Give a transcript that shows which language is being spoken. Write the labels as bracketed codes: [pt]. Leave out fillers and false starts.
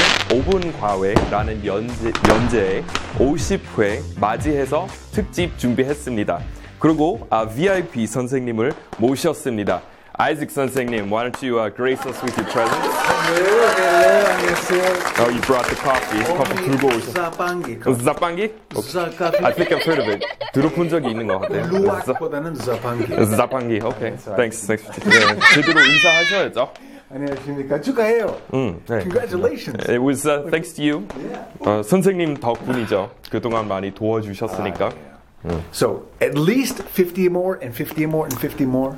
[ko] 오늘 5분 과외라는 연재 50회 맞이해서 특집 준비했습니다. 그리고 VIP 선생님을 모셨습니다. [en] Isaac 선생님, why don't you grace us with your presence? Hello, hello. Oh, you brought the coffee. Coffee [ko] 들고 오셨어요. 자빵기. 자빵기? [en] Okay. I think I've heard of it. [ko] 들어본 적이 있는 것 같아요. 루악보다는 자빵기. [en] 자빵기, okay. Thanks. Thanks for today. [ko] 제대로 인사하셔야죠. 안녕하십니까. 축하해요. [en] Congratulations. It was thanks to you. Yeah. [ko] 선생님 덕분이죠. 그동안 많이 도와주셨으니까. [en] So at least 50 more and 50 more and 50 more.